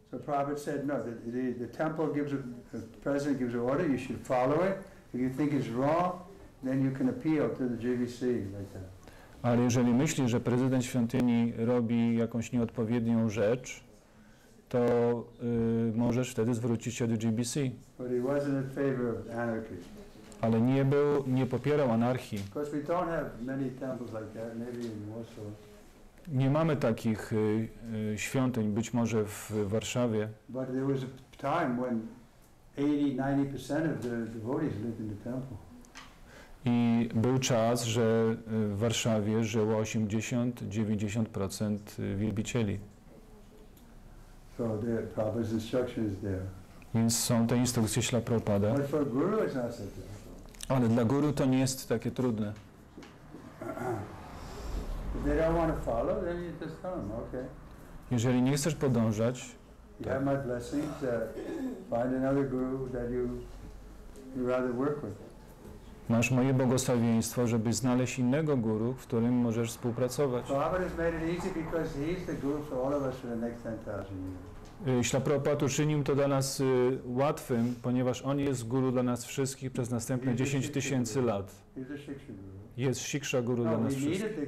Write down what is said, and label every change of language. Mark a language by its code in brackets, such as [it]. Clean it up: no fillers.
[en] So Prabhupada said, no, the temple gives the president gives an order, you should follow it. If you think it's wrong, then you can appeal to the GVC like that. [pl] Ale jeżeli myślisz, że prezydent świątyni robi jakąś nieodpowiednią rzecz, to możesz wtedy zwrócić się do GBC. [en] But he wasn't in favor of anarchy. [pl] Ale nie popierał anarchii. [en] Because we don't have many temples like that, maybe in Warsaw. [pl] Nie mamy takich świątyń, być może w Warszawie. [en] But there was a time when 80-90% of the devotees lived in the temple. [pl] I był czas, że w Warszawie żyło 80-90% wielbicieli. [en] So the Prabhupada's instruction is there. [pl] Więc są te instrukcje Śla Prabhupada. [en] But for guru it's not so difficult. [pl] Ale dla guru to nie jest takie trudne. [en] If they don't want to follow, then you just tell them, okay. [pl] Jeżeli nie chcesz podążać, [en] you have my blessings, find another guru that you rather work with. [pl] Masz moje błogosławieństwo, żeby znaleźć innego guru, w którym możesz współpracować. [en] Prabhupada has made it easy because he's the guru for all of us for the next 10,000 years. [pl] Śla Prabhupada uczynił to dla nas łatwym, ponieważ on jest guru dla nas wszystkich przez następne 10 tysięcy lat. Jest Shiksha Guru dla nas wszystkich.